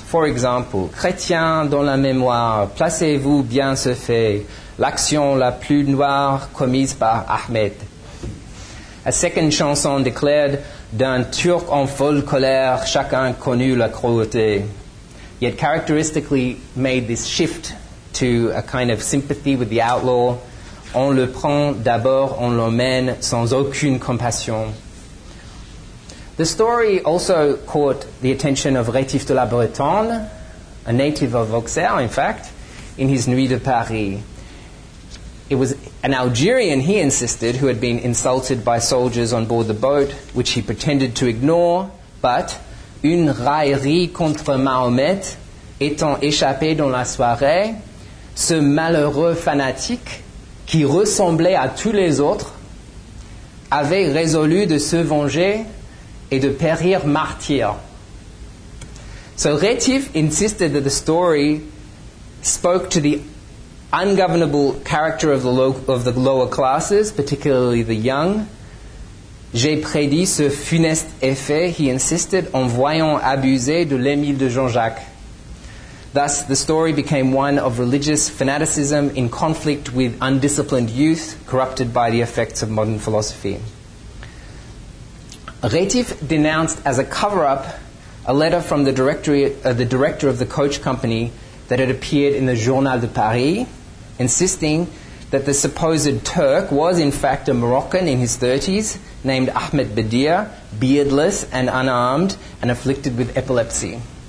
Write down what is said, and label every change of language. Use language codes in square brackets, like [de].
[en] For example, [fr] Chrétien dans la mémoire, placez-vous bien ce fait, l'action la plus noire commise par Ahmed. [en] A second chanson declared, [fr] d'un Turc en folle colère, chacun connu la cruauté. [en] Yet characteristically made this shift to a kind of sympathy with the outlaw. [fr] On le prend d'abord, on l'emmène sans aucune compassion. [en] The story also caught the attention of Rétif de la Bretonne, a native of Auxerre, in fact, in his Nuit de Paris. It was an Algerian, he insisted, who had been insulted by soldiers on board the boat, which he pretended to ignore, but [fr] une raillerie contre Mahomet étant échappée dans la soirée, ce malheureux fanatique qui ressemblait à tous les autres, avait résolu de se venger et de périr martyr. [en] So Rétif insisted that the story spoke to the ungovernable character of the lower classes, particularly the young. [fr] J'ai prédit ce funeste effet, [en] he insisted, [fr] en voyant abuser de l'Émile de Jean-Jacques. [en] Thus, the story became one of religious fanaticism in conflict with undisciplined youth, corrupted by the effects of modern philosophy. Rétif denounced as a cover-up a letter from the director of the coach company that had appeared in the Journal de Paris, insisting that the supposed Turk was in fact a Moroccan in his 30s, named Ahmed Bedir, beardless and unarmed and afflicted with epilepsy.